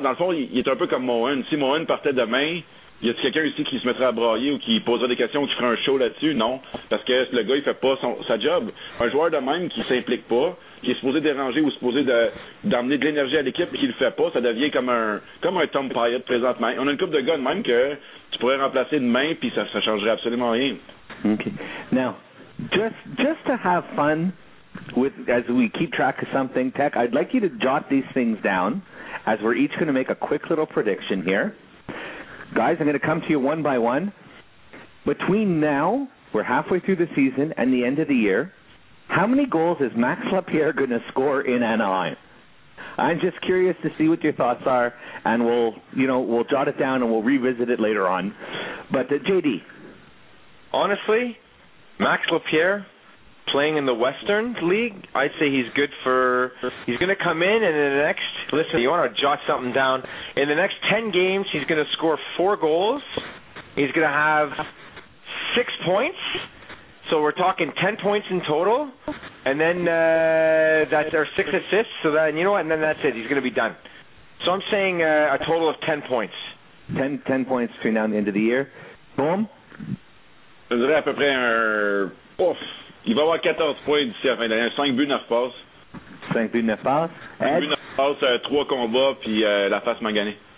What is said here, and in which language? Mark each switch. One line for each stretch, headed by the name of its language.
French: Dans le fond, il est un peu comme Mohan. Si Mohan partait demain... Y a-t-il quelqu'un ici qui se mettra à brailler ou qui posera des questions ou qui fera un show là-dessus? Non. Parce que le gars, il fait pas sa job. Un joueur de même qui s'implique pas, qui est supposé déranger ou supposé d'amener de l'énergie à l'équipe et qui le fait pas, ça devient comme un Tom Pyatt présentement. On a une couple de gars de même que tu pourrais remplacer demain puis ça changerait absolument rien.
English: OK. Now, just to have fun with, as we keep track of something, Tech, I'd like you to jot these things down as we're each going to make a quick little prediction here. Guys, I'm going to come to you one by one. Between now, we're halfway through the season, and the end of the year, how many goals is Max Lapierre going to score in Anaheim? I'm just curious to see what your thoughts are, and we'll jot it down and we'll revisit it later on. But, JD. Honestly, Max Lapierre playing in the Western League, I'd say he's good for... He's going to come in, and in the next... Listen, you want to jot something down. In the next 10 games, he's going to score 4 goals. He's going to have 6 points. So we're talking 10 points in total. And then that's our 6 assists. So then, you know what? And then that's it. He's going to be done. So I'm saying a total of 10 points. 10 points between now and the end of the year. Boom.
French: Je dirais à peu près un... Ouf. Il va avoir 14 points d'ici la fin de l'année. 5 buts, 9 passes. 5 buts, 9 passes. 5 buts, 9 passes, 3 combats, puis la face m'a gagné.